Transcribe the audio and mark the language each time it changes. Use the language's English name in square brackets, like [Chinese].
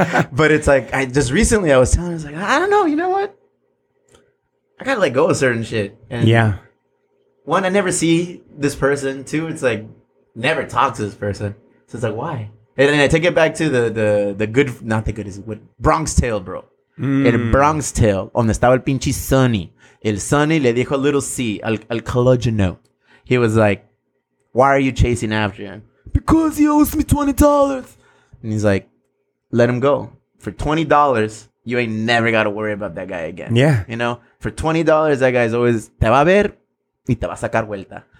[English] But it's like, I was telling her, I was like, I don't know, you know what? I got to let go of certain shit. And yeah. One, I never see this person. Two, it's like, never talk to this person. So it's like, why? And then I take it back to the good, not the good, is what Bronx Tale, bro. [Spanish] In Bronx Tale, donde estaba el pinche Sonny. El Sonny le dijo a little C, al collagenote. [English] He was like, why are you chasing after him? Because he owes me $20. And he's like, let him go. For $20, you ain't never got to worry about that guy again. Yeah. You know, for $20, that guy's always, [Spanish] te va a ver y te va a sacar vuelta.